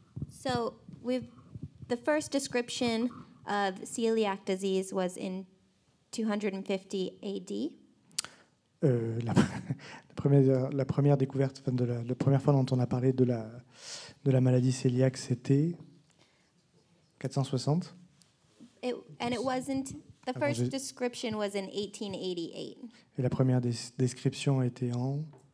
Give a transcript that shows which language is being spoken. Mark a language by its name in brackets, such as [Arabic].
[English] So the first description of celiac disease was in 250 AD. [French] La première découverte, enfin la première fois dont on a parlé de la maladie cœliaque, c'était 460. [English] The first description was in 1888. [French] Et la première description était en